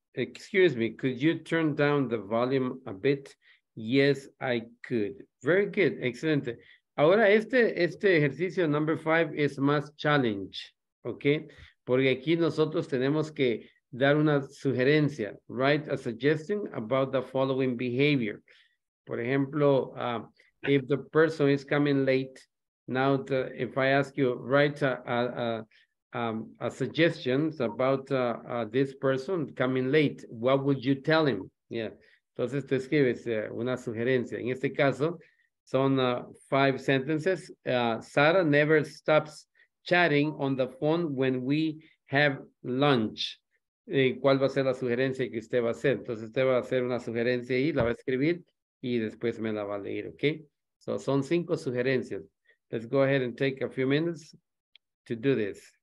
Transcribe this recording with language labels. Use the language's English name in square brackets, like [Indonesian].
[English] Excuse me, could you turn down the volume a bit? Yes, I could. Very good. Excelente. [Spanish] Ahora, este ejercicio, number five, es más challenge, ¿ok? Porque aquí nosotros tenemos que dar una sugerencia, [English] write a suggestion about the following behavior. [Spanish] Por ejemplo, [English] if the person is coming late, now the, if I ask you, write a suggestion about this person coming late, what would you tell him? Yeah. [Spanish] Entonces, te escribes una sugerencia. En este caso, son [English] five sentences. Sara never stops chatting on the phone when we have lunch. [Spanish] ¿Cuál va a ser la sugerencia que usted va a hacer? Entonces, usted va a hacer una sugerencia y la va a escribir y después me la va a leer, ¿ok? So, son cinco sugerencias. [English] Let's go ahead and take a few minutes to do this.